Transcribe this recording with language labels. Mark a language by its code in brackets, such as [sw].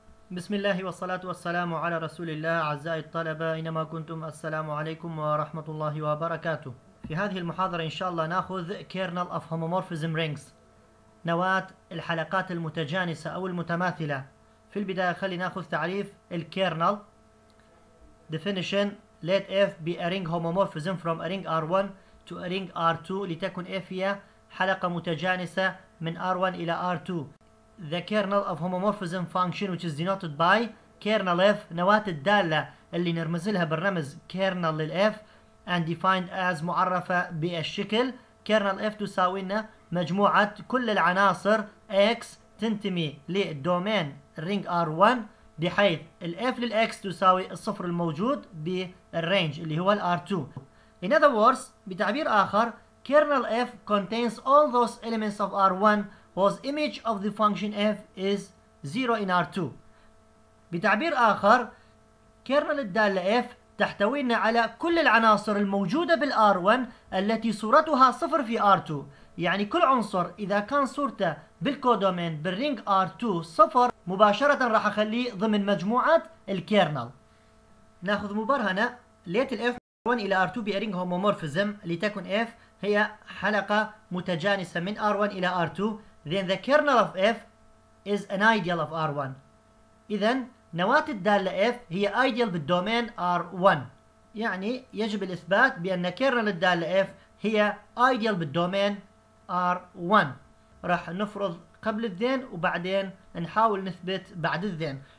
[ar] بسم الله والصلاة والسلام على رسول الله. أعزائي الطلبة إنما كنتم، السلام عليكم ورحمة الله وبركاته. في هذه المحاضرة إن شاء الله نأخذ Kernel of Homomorphism Rings، نواة الحلقات المتجانسة أو المتماثلة. في البداية خلينا نأخذ تعريف الكيرنل. [en] Definition: Let F be a ring homomorphism from a ring R1 to a ring R2، [ar] لتكن F هي حلقة متجانسة من R1 إلى R2. [en] The kernel of homomorphism function which is denoted by kernel F، [ar] نواة الدالة اللي نرمز لها بالرمز kernel لل F، [en] and defined as [ar] معرفة بالشكل kernel F تساوي لنا مجموعة كل العناصر X تنتمي للدومين ring R1، بحيث ال F لل X تساوي الصفر الموجود بالرينج اللي هو ال R2. [en] In other words، [ar] بتعبير آخر، [en] kernel F contains all those elements of R1whose image of the function f is 0 in R2. [ar] بتعبير آخر، كيرنل الدالة f تحتوي لنا على كل العناصر الموجودة بالR1 التي صورتها صفر في R2. يعني كل عنصر إذا كان صورته بالكودومين بالرينج R2 صفر، مباشرة راح أخليه ضمن مجموعة الكيرنل. نأخذ مبرهنة ليت الf R1 إلى R2 بأرينج هوموموورفزم، لتكن f هي حلقة متجانسة من R1 إلى R2. [en] Then the kernel of F is an ideal of R1. [ar] إذن نواة الدالة F هي ideal بالدومين R1. يعني يجب الإثبات بأن كيرنل الدالة F هي ideal بالدومين R1. راح نفرض قبل الذين وبعدين نحاول نثبت بعد الذين.